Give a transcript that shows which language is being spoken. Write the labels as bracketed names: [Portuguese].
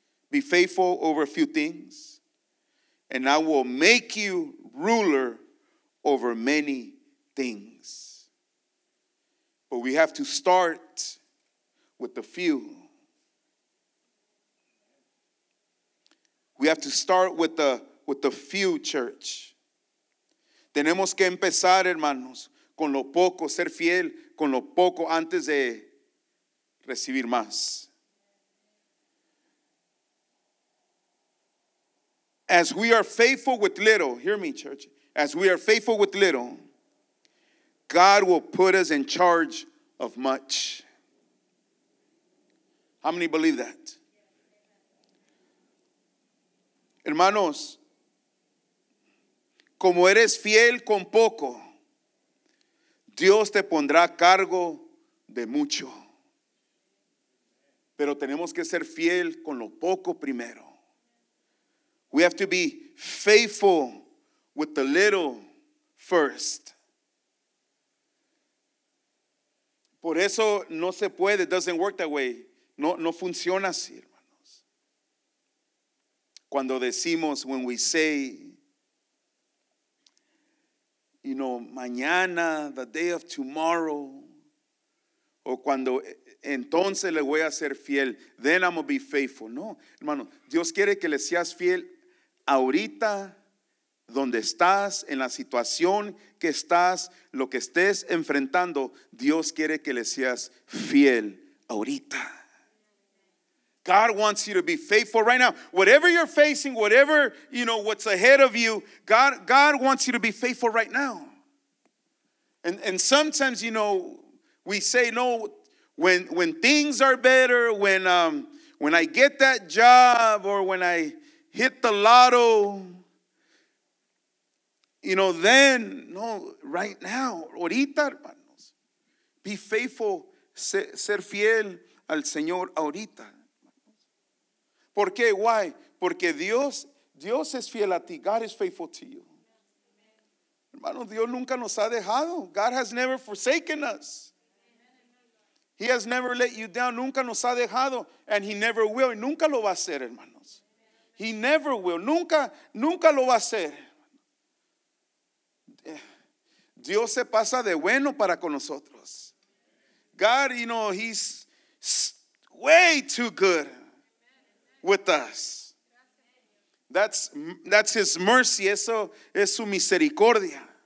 [English] Be faithful over a few things. And I will make you ruler over many things. But we have to start with the few. We have to start with the few, church. [Spanish] Tenemos que empezar, hermanos, con lo poco, ser fiel con lo poco antes de recibir más. [English] As we are faithful with little, hear me, church. As we are faithful with little, God will put us in charge of much. How many believe that? [Spanish] Hermanos, como eres fiel con poco, Dios te pondrá a cargo de mucho. Pero tenemos que ser fiel con lo poco primero. [English] We have to be faithful with the little first. [Spanish] Por eso no se puede. [English] It doesn't work that way. [Spanish] No funciona así, hermanos. Cuando decimos, [English] when we say, you know, mañana, the day of tomorrow, [Spanish] o cuando entonces le voy a ser fiel, [English] then I'm going to be faithful. [Spanish] No, hermano, Dios quiere que le seas fiel ahorita, donde estás, en la situación que estás, lo que estés enfrentando, Dios quiere que le seas fiel ahorita. [English] God wants you to be faithful right now. Whatever you're facing, whatever, you know, what's ahead of you, God wants you to be faithful right now. And sometimes, you know, we say, no, when things are better, when I get that job or when I hit the lotto, you know, then, no, right now, [Spanish] ahorita, hermanos, [English] be faithful, [Spanish] ser fiel al Señor ahorita. ¿Por qué? [English] Why? [Spanish] Porque Dios es fiel a ti. [English] God is faithful to you. [Spanish] Hermano, Dios nunca nos ha dejado. [English] God has never forsaken us. He has never let you down. [Spanish] Nunca nos ha dejado. [English] And he never will. [Spanish] Y nunca lo va a hacer, hermanos. [English] He never will. [Spanish] Nunca lo va a hacer. Dios se pasa de bueno para con nosotros. [English] God, you know, he's way too good with us. That's his mercy. [Spanish] Eso es su misericordia.